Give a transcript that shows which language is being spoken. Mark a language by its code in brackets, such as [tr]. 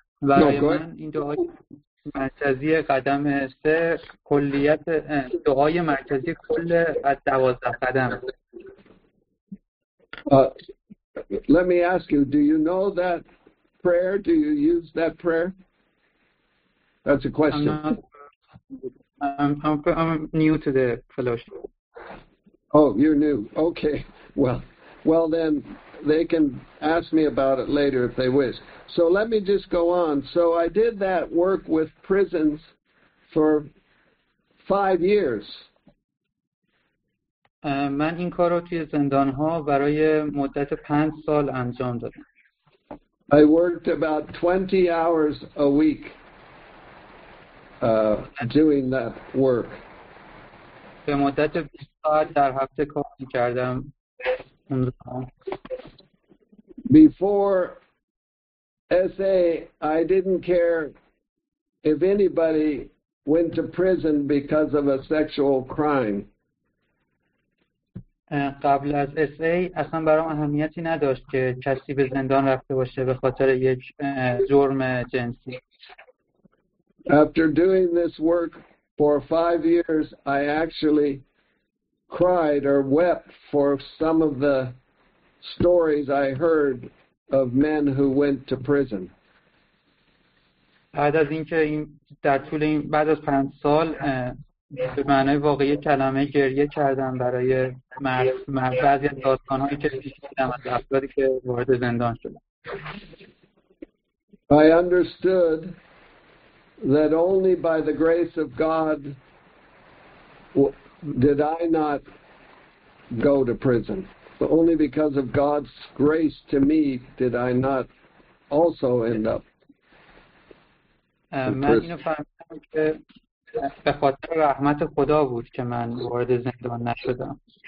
[fa] برای من این دعای مرکزی قدم سه کلیت دعای مرکزی کل از 12 قدم. [en] Let me ask you, do you know that prayer? Do you use that prayer? That's a question. I'm new to the fellowship. Oh, you're new. Okay. Well, then they can ask me about it later if they wish. So let me just go on. So I did that work with prisons for 5 years. [fa] من این کار رو توی زندان‌ها برای مدت 5 سال انجام دادم. [en] I worked about 20 hours a week. Doing that work. [fa] به مدت 20 ساعت در هفته کار می‌کردم. [en] Before SA, I didn't care if anybody went to prison because of a sexual crime. [fa] قبل از SA اصلا برام اهمیتی نداشت که کسی به زندان رفته باشه به خاطر یک جرم جنسی. [en] After doing this work for 5 years, I actually cried or wept for some of the stories I heard of men who went to prison. [fa] بعد از اینکه در طول این بعد از 5 سال به معنای واقعی کلمه گریه کردم برای بعضی از داستانهایی که شنیدم از افرادی که وارد زندان شدند. [en] I understood that only by the grace of God did I not go to prison. But only because of God's grace to me did I not also end up in prison. [fa] من اینو فهمیدم که به خاطر رحمت خدا بود که من وارد زندان نشدم.